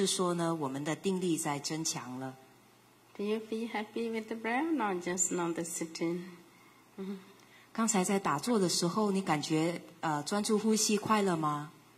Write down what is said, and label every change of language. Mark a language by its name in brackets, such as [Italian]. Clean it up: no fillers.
[Chinese] 当我们的心开始静下来，有定力的时候，我们的心呢，渐渐的会感到快乐，我们的身体也会感觉到非常的轻安，非常的舒服。那这就表示说呢，我们的定力在增强了。 [English] Do you feel happy with the breath, not just not the sitting? [Chinese] 刚才在打坐的时候，你感觉专注呼吸快乐吗？